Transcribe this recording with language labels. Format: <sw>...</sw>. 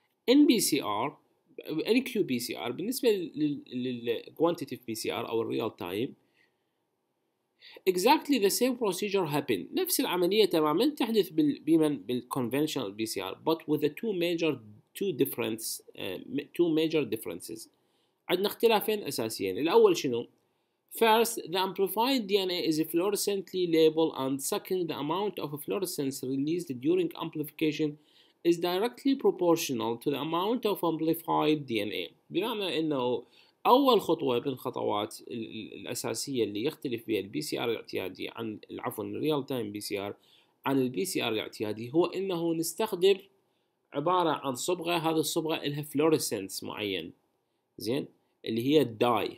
<en>NPCR NQPCR</en> <ar>بالنسبة لل</ar> <en>quantitative PCR أو real time exactly the same procedure happen.</en> <ar>نفس العملية تماما تحدث بمن بال</ar> <en>conventional PCR but with the two major differences.</en> <ar>عندنا اختلافين أساسيين. الأول شنو؟</ar> <en>First, the amplified DNA is fluorescently labeled, and second, the amount of fluorescence released during amplification is directly proportional to the amount of amplified DNA.</en> <ar>بمعنى انه اول خطوة من الخطوات الاساسية اللي يختلف بها PCR الاعتيادي عن عفوا الريال تايم PCR عن PCR الاعتيادي هو انه نستخدم عبارة عن صبغة، هذا الصبغة لها فلوريسنس معين زين اللي هي الداي.</ar>